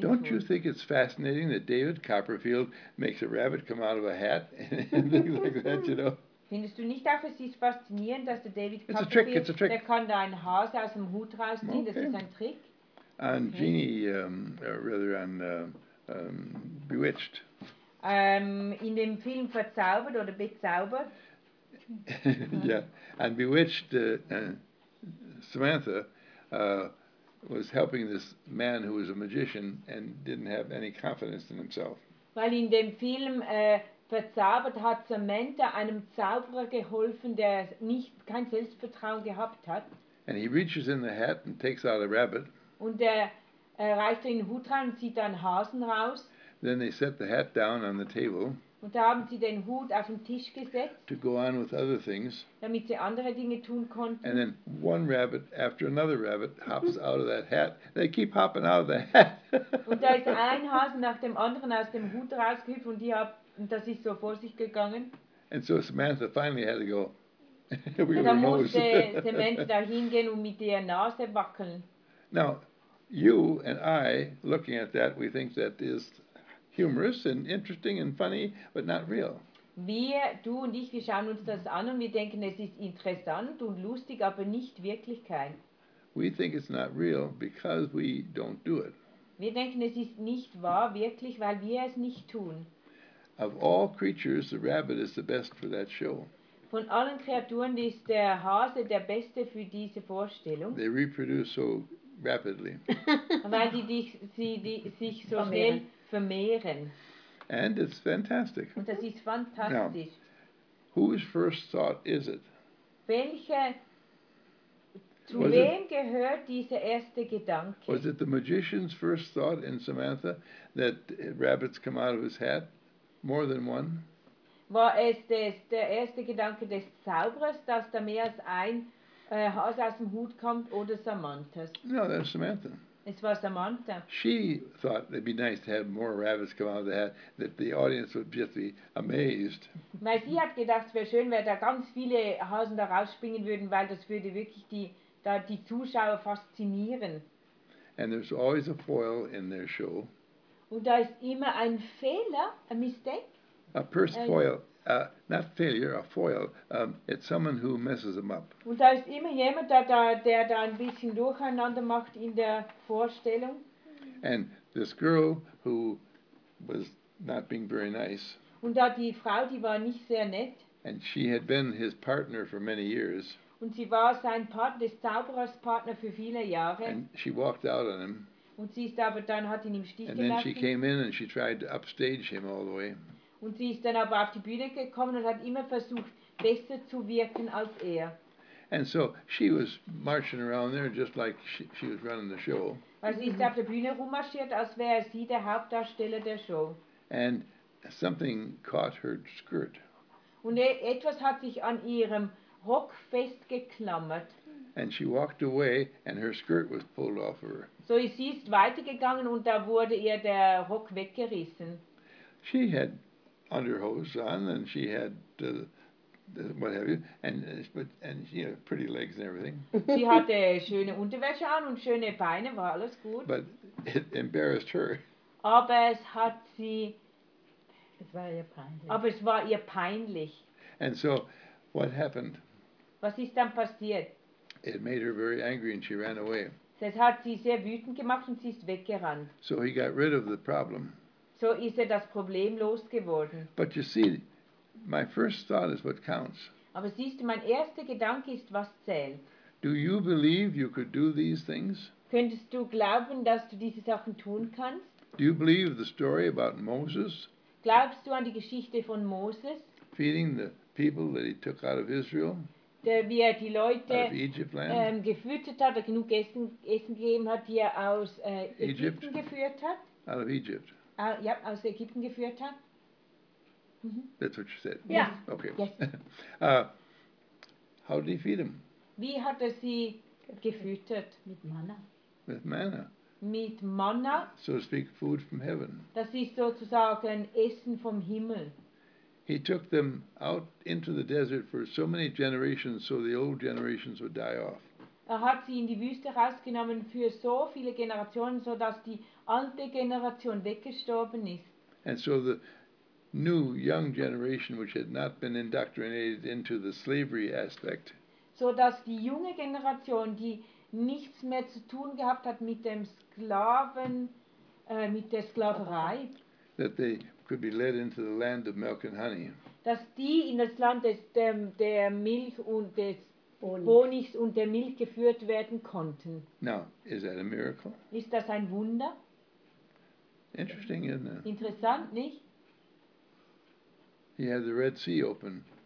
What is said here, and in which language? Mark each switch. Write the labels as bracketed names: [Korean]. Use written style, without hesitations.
[English] Don't [German] tun. [English] You think it's fascinating that David Copperfield makes a rabbit come out of a hat and things like that, you know? [German] Findest du nicht auch, es ist faszinierend, dass der David Copperfield, der kann da einen Hase aus dem Hut rausziehen, okay. Das ist ein Trick? [English] On okay. Genie, Bewitched. [German] In dem Film Verzaubert oder Bezaubert. [English] Yeah, and Bewitched, Samantha was helping this man who was a magician and didn't have any confidence in himself. [German] Weil in dem Film Verzaubert hat Samantha einem Zauberer geholfen, der kein Selbstvertrauen gehabt hat. [English] And he reaches in the hat and takes out a rabbit. [German] Und er reicht in den Hut rein und zieht einen Hasen raus. [English] Then they set the hat down on the table. [German] Und da haben sie den Hut auf den Tisch gesetzt. [English] To go on with other things. [German] Damit sie andere Dinge tun konnten. [English] And then one rabbit after another rabbit hops out of that hat. They keep hopping out of the hat. [German] Und da ist ein Hasen nach dem anderen aus dem Hut rausgehüpft und das ist so vor sich gegangen. [English] And so Samantha finally had to go. [German] Und dann musste Samantha da hingehen und mit der Nase wackeln. [English] Now, you and I, looking at that, we think that is humorous and interesting and funny, but not real. [German] Du und ich, wir schauen uns das an und wir denken, es ist interessant und lustig, aber nicht Wirklichkeit. [English] We think it's not real because we don't do it. [German] Wir denken, es ist nicht wahr, wirklich, weil wir es nicht tun. [English] Of all creatures, the rabbit is the best for that show. [German] Von allen Kreaturen ist der Hase der Beste für diese Vorstellung. [English] They reproduce so rapidly. [German] Weil die sich so schnell vermehren. [English] And it's fantastic. [German] Und das ist fantastisch. [English] Now, whose first thought is it? [German] Zu wem gehört dieser erste Gedanke? [English] Was it the magician's first thought in Samantha that rabbits come out of his hat? More than one? [German] War es der erste Gedanke des Zauberers, dass da mehr als ein Hase aus dem Hut kommt oder Samanthas? [English] No, that's Samantha. [German] Es war Samantha. [English] She thought it'd be nice to have more rabbits come out of the hat, that the audience would just be amazed. [German] Weil sie hat gedacht, es wäre schön, wenn da ganz viele Hasen da rausspringen würden, weil das würde wirklich die Zuschauer faszinieren. [English] And there's always a foil in their show. [German] Und da ist immer ein Fehler, [English] a mistake. A purse foil. Not failure, a foil. It's someone who messes them up. [German] Und da ist immer jemand, der da ein bisschen durcheinander macht in der Vorstellung. [English] And this girl who was not being very nice. [German] Und da die Frau, die war nicht sehr nett. [English] And she had been his partner for many years. [German] Und sie war sein Partner, des Zauberers Partner für viele Jahre. [English] And she walked out on him. [German] Und sie ist aber dann hat ihn im Stich [English] and [German] gelassen. [English] And then she came in and she tried to upstage him all the way. [German] Und sie ist dann aber auf die Bühne gekommen und hat immer versucht, besser zu wirken als er. [English] And so she was marching around there just like she was running the show. [German] Weil sie ist auf der Bühne rummarschiert, als wäre sie der Hauptdarsteller der Show. [English] And something caught her skirt. [German] Und etwas hat sich an ihrem Rock festgeklammert. [English] And she walked away and her skirt was pulled off her. [German] So sie ist weitergegangen und da wurde ihr der Rock weggerissen. [English] She had underhose on and she had what have you, and she had pretty legs and everything. [German] Sie hatte schöne Unterwäsche an und schöne Beine, war alles gut. [English] But it embarrassed her. [German] Aber es hat sie... Es war ihr peinlich. Aber es war ihr peinlich. [English] And so, what happened? [German] Was ist dann passiert? [English] It made her very angry and she ran away. [German] Das hat sie sehr wütend gemacht und sie ist weggerannt. [English] So he got rid of the problem. [German] So ist das Problem losgeworden. [English] But you see, my first thought is what counts. [German] Aber siehst du, mein erster Gedanke ist, was zählt. [English] Do you believe you could do these things? [German] Könntest du glauben, dass du diese Sachen tun kannst? [English] Do you believe the story about Moses? [German] Glaubst du an die Geschichte von Moses? [English] Feeding the people that he took out of Israel? [German] Der, wie er die Leute gefüttert hat, genug Essen gegeben hat, die er aus Ägypten geführt hat? [English] Out of Egypt. [German] Ja, aus Ägypten geführt hat. [English] Mm-hmm. That's what you said. Yeah. Okay. Yes. How did he feed them? [German] Wie hat sie gefüttert? Mit Manna. [English] With manna. [German] Mit Manna. [English] So to speak, food from heaven. [German] Das ist sozusagen Essen vom Himmel. [English] He took them out into the desert for so many generations, so the old generations would die off. [German] Er hat sie in die Wüste rausgenommen für so viele Generationen, so dass die alte Generation weggestorben ist. [English] And so the new young generation, which had not been indoctrinated into the slavery aspect, [German] so dass die junge Generation, die nichts mehr zu tun gehabt hat mit dem Sklaven, mit der Sklaverei, [English] that they could be led into the land of milk and honey, [German] dass die in das Land des der Milch und des Honigs und der Milch geführt werden konnten. [English] Now, is that a miracle? [German] Ist das ein Wunder? [English] Interesting, isn't it? [German] Interessant, nicht? [English] He had the Red Sea open.